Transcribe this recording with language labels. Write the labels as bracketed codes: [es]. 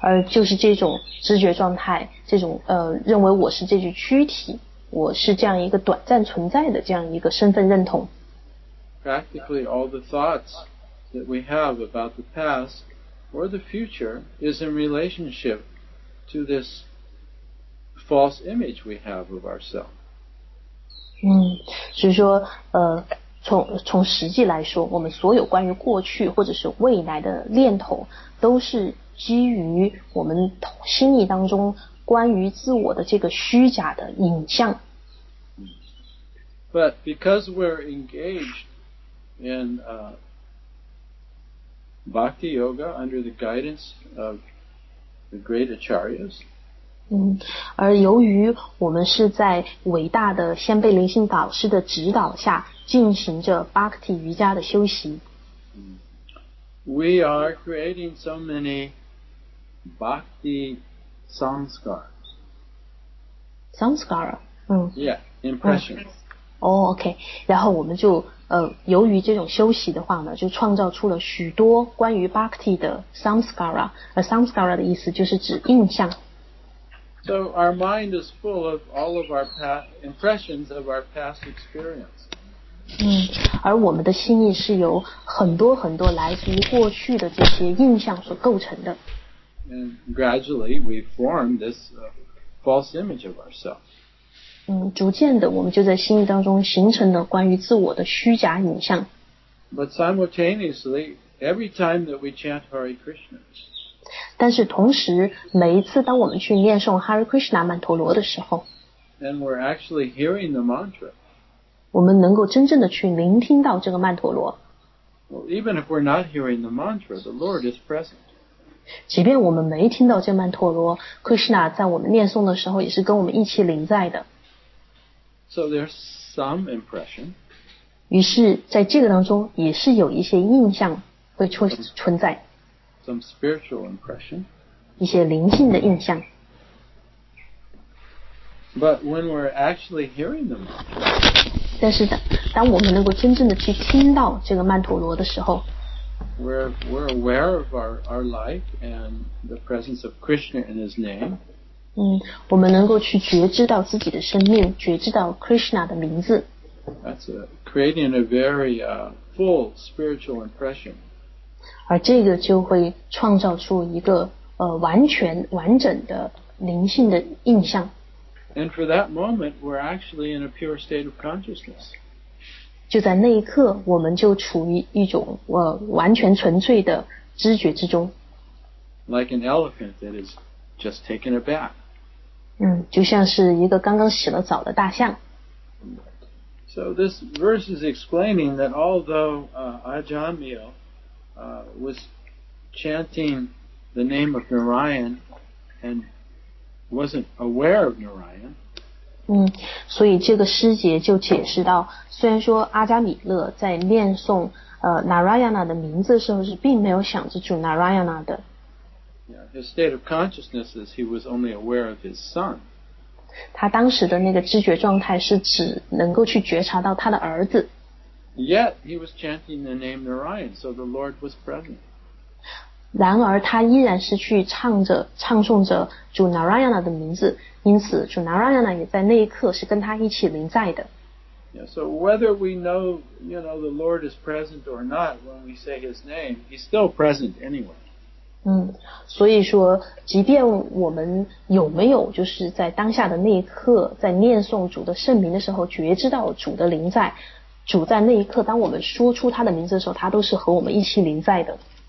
[zh] 就是这种知觉状态，这种认为我是这具躯体，我是这样一个短暂存在的这样一个身份认同。 [en] Practically all the thoughts that we have about the past or the future is in relationship to this false image we have of ourselves. [zh] 是说从实际来说，我们所有关于过去或者是未来的念头都是基于我们心意当中关于自我的这个虚假的影像。 [en] But because we're engaged in bhakti yoga under the guidance of the great acharyas, [zh] 而由于我们是在伟大的先辈灵性导师的指导下进行着 bhakti 瑜伽的修习。 [en] We are creating so many bhakti samskaras. Samskara? Yeah, impressions. Okay. [zh] 然后我们就由于这种修习的话呢，就创造出了许多关于 bhakti 的 samskara. Samskara 的意思就是指印象。 [en] So our mind is full of all of our past impressions of our past experience. [zh] 而我们的心意是由很多很多来自于过去的这些印象所构成的。 [en] And gradually we form this false image of ourselves. [zh] 逐渐的我们就在心意当中形成了关于自我的虚假影像。 [en] But simultaneously, every time that we chant Hare Krishna. [zh] 但是同时，每一次当我们去念诵 Hare Krishna 曼陀罗的时候 [en] ，And we're actually hearing the mantra. [zh] 我们能够真正的去聆听到这个曼陀罗。 [en] Well, even if we're not hearing the mantra, the Lord is present. [zh] 即便我们没听到这曼陀罗， Krishna 在我们念诵的时候也是跟我们一起临在的。 [en] So there's some impression. [zh] 于是在这个当中也是有一些印象会存在。 [en] Some spiritual impression. [zh] 一些灵性的印象。 [en] But when we're actually hearing the mantra, [zh] 但是当我们能够真正的去听到这个曼陀罗的时候 [en] we're aware of our life and the presence of Krishna in his name [zh] 我们能够去觉知到自己的生命觉知到 Krishna 的名字 [en] that's creating a very full spiritual impression [zh] 而这个就会创造出一个完全完整的灵性的印象 [en] And for that moment, we're actually in a pure state of consciousness. [zh] 就在那一刻，我们就处于一种完全纯粹的知觉之中。 [en] Like an elephant that is just taken a bath. [zh] 就像是一个刚刚洗了澡的大象。 [en] So this verse is explaining that although Ajamil was chanting the name of Narayan and wasn't aware of Narayan. [zh] 所以这个师姐就解释到，虽然说阿加米勒在念诵Narayana 的名字的时候是并没有想着主 Narayana 的。 [en] Yeah, his state of consciousness is he was only aware of his son. [zh] 他当时的那个知觉状态是只能够去觉察到他的儿子。 [en] Yet he was chanting the name Narayan, so the Lord was present. [zh] 然而他依然是去唱诵着主 Narayana 的名字因此主 Narayana 也在那一刻是跟他一起临在的 [en] yeah, So whether we know, you know the Lord is present or not when we say his name he's still present anyway [zh] 所以说即便我们有没有就是在当下的那一刻在念诵主的圣名的时候觉知到主的临在主在那一刻当我们说出他的名字的时候他都是和我们一起临在的